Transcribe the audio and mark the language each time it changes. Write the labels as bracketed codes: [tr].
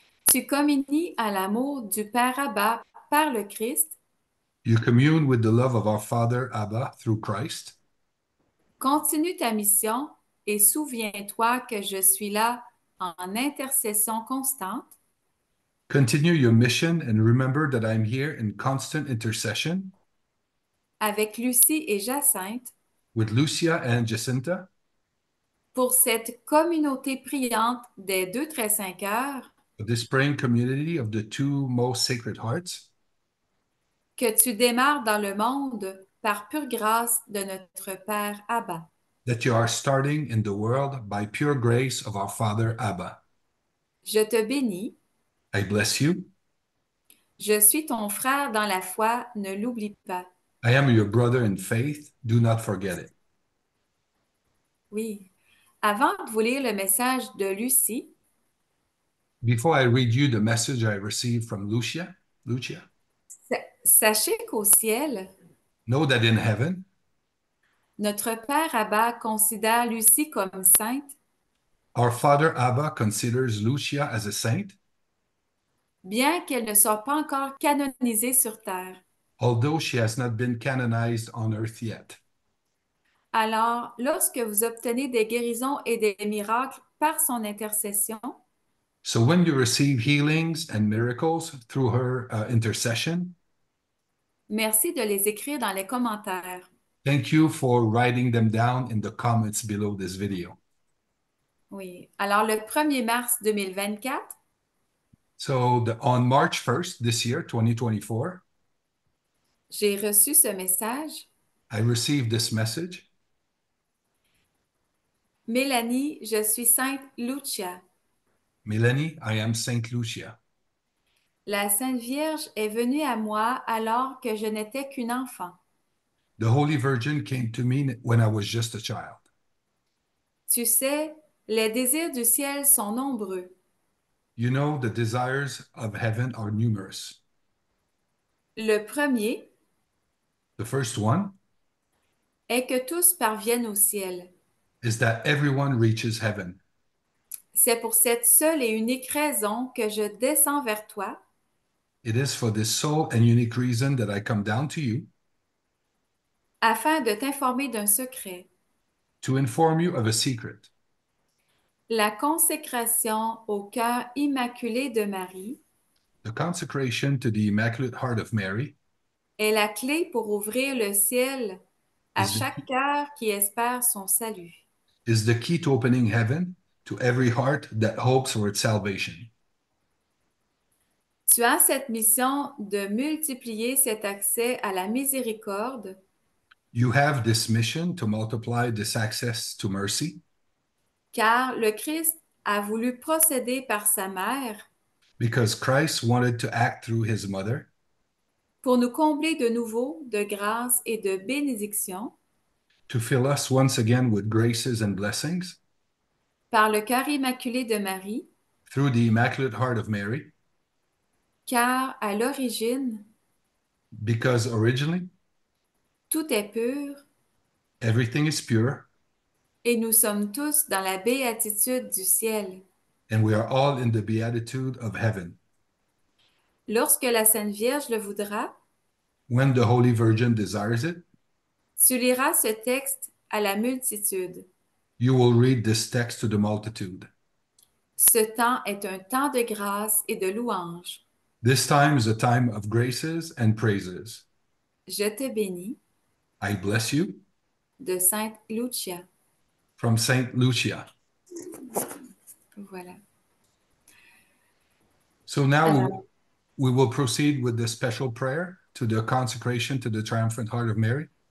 [fr] Tu communies à l'amour du Père Abba par le Christ. [en] You commune with the love of our Father Abba through Christ. [fr] Continue ta mission et souviens-toi que je suis là en intercession constante. [en] Continue your mission and remember that I'm here in constant intercession. [fr] Avec Lucie et Jacinthe. [en] With Lucia and Jacinta. [fr] pour cette communauté priante des 2-3-5 heures, [en] This praying community of the two most sacred hearts. [fr] que tu démarres dans le monde par pure grâce de notre Père Abba. [en] That you are starting in the world by pure grace of our Father Abba. [fr] Je te bénis. [en] I bless you. [fr] Je suis ton frère dans la foi, ne l'oublie pas. [en] I am your brother in faith. Do not forget it. [fr] Oui. Avant de vous lire le message de Lucie, [en] Before I read you the message I received from Lucia, [fr] sachez qu'au ciel, [en] know that in heaven, [fr] notre Père Abba considère Lucie comme sainte, [en] our Father Abba considers Lucia as a saint, [fr] bien qu'elle ne soit pas encore canonisée sur terre. [en] although she has not been canonized on earth yet. [fr] Alors, lorsque vous obtenez des guérisons et des miracles par son intercession, [en] So when you receive healings and miracles through her intercession, [fr] merci de les écrire dans les commentaires. [en] thank you for writing them down in the comments below this video. [fr] Oui, alors le 1er mars 2024, [en] On March 1st this year, 2024, [fr] j'ai reçu ce message. [en] I received this message. [fr] Mélanie, je suis Sainte Lucia. [en] Mélanie, I am Saint Lucia. [fr] La Sainte Vierge est venue à moi alors que je n'étais qu'une enfant. [en] The Holy Virgin came to me when I was just a child. [fr] Tu sais, les désirs du ciel sont nombreux. [en] You know, the desires of heaven are numerous. [fr] Le premier [en] The first one [fr] est que tous parviennent au ciel. [en] is that everyone reaches heaven. [fr] C'est pour cette seule et unique raison que je descends vers toi. [en] It is for this sole and unique reason that I come down to you [fr] Afin de t'informer d'un secret. [en] to inform you of a secret. [fr] La consécration au cœur immaculé de Marie [en] The consecration to the Immaculate Heart of Mary [fr] est la clé pour ouvrir le ciel à [en] is the [fr] chaque cœur qui espère son salut. [en] key to opening heaven to every heart that hopes for its salvation. [fr] Tu as cette mission de multiplier cet accès à la miséricorde. [en] You have this mission to multiply this access to mercy. [fr] Car le Christ a voulu procéder par sa mère [en] Because Christ wanted to act through his mother. [fr] pour nous combler de nouveau de grâce et de bénédiction [en] To fill us once again with graces and blessings. [fr] par le cœur immaculé de Marie, [en] Through the Immaculate Heart of Mary. [fr] car à l'origine, [en] Because originally. [fr] tout est pur [en] Everything is pure. [fr] et nous sommes tous dans la béatitude du ciel. [en] And we are all in the beatitude of heaven. [fr] Lorsque la Sainte Vierge le voudra, [en] When the Holy Virgin desires it, [fr] tu liras ce texte à la multitude. [en] you will read this text to the multitude. [fr] Ce temps est un temps de grâce et de louange. [en] This time is a time of graces and praises. [fr] Je te bénis. [en] I bless you. [fr] De Sainte Lucia. [en] From Saint Lucia. [fr] Voilà. [en] So now we will proceed with the special prayer to the consecration to the Triumphant Heart of Mary.